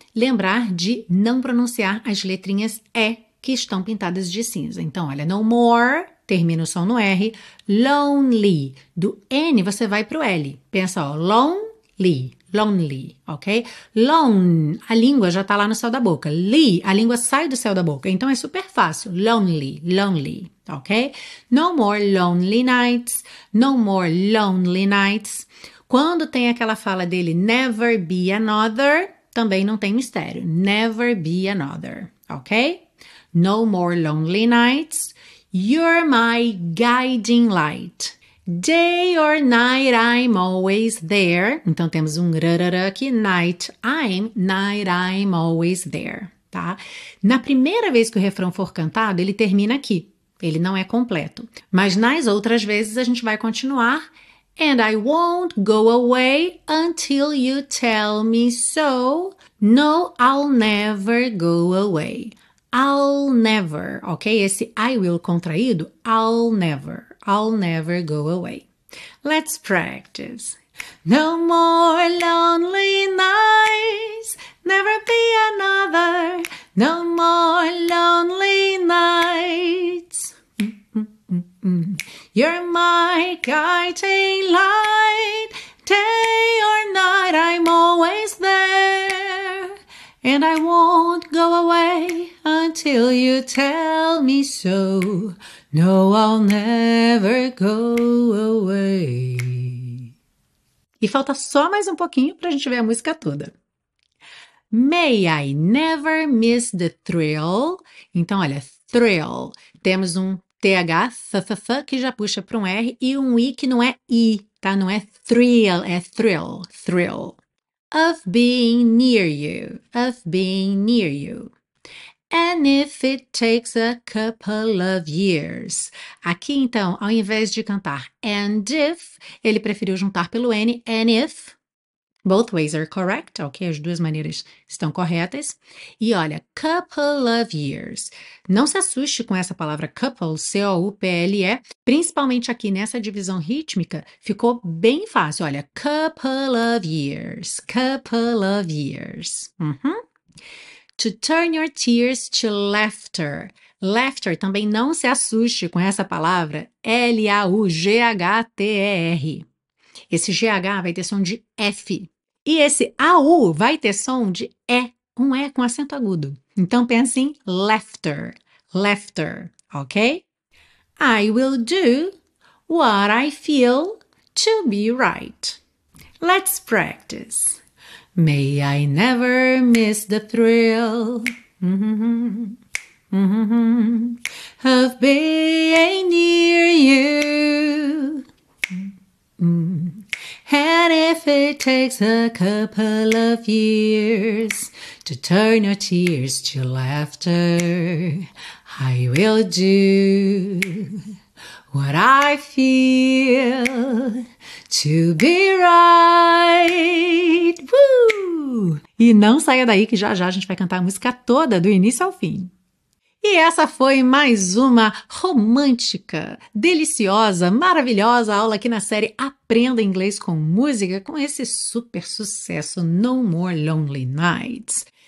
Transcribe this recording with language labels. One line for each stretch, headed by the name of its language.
Portuguese: Lembrar de não pronunciar as letrinhas E que estão pintadas de cinza. Então, olha, no more, termina o som no R. Lonely, do N você vai pro L. Pensa, ó, lonely, lonely, ok? Lone, a língua já tá lá no céu da boca. Li, a língua sai do céu da boca. Então, é super fácil. Lonely, lonely, ok?
English: No more lonely nights, no more lonely nights.
Portuguese: Quando tem aquela fala dele,
English: never be another...
Portuguese: Também não tem mistério.
English: Never be another, ok? No more lonely nights. You're my guiding light. Day or night, I'm always there.
Portuguese: Então, temos um rarara aqui.
English: Night, I'm, night, I'm always there, tá?
Portuguese: Na primeira vez que o refrão for cantado, ele termina aqui. Ele não é completo. Mas nas outras vezes, a gente vai continuar...
English: And I won't go away until you tell me so. No, I'll never go away. I'll never, ok?
Portuguese: Esse I will contraído,
English: I'll never go away. Let's practice. No more lonely nights, never be another. No more lonely nights. You're my guiding light, day or night, I'm always there, and I won't go away until you tell me so. No, I'll never go away.
Portuguese: E falta só mais um pouquinho pra gente ver a música toda.
English: May I never miss the thrill.
Portuguese: Então, olha, thrill. Temos um TH, th, que já puxa para um R, e um I que não é I, tá? Não é thrill, é thrill, thrill.
English: Of being near you, of being near you. And if it takes a couple of years.
Portuguese: Aqui, então, ao invés de cantar and if, ele preferiu juntar pelo N, and if.
English: Both ways are correct, ok?
Portuguese: As duas maneiras estão corretas. E olha,
English: couple of years.
Portuguese: Não se assuste com essa palavra couple, C-O-U-P-L-E. Principalmente aqui nessa divisão rítmica, ficou bem fácil.
English: Olha, couple of years, couple of years. Uhum. To turn your tears to laughter.
Portuguese: Laughter, também não se assuste com essa palavra, L-A-U-G-H-T-E-R. Esse GH vai ter som de F. E esse AU vai ter som de E. Um E com acento agudo. Então, pense em laughter.
English: Laughter, ok? I will do what I feel to be right. Let's practice. May I never miss the thrill of being near you. And if it takes a couple of years to turn your tears to laughter, I will do what I feel to be right. Woo!
Portuguese: E não saia daí que já a gente vai cantar a música toda do início ao fim. E essa foi mais uma romântica, deliciosa, maravilhosa aula aqui na série Aprenda Inglês com Música, com esse super sucesso No More Lonely Nights.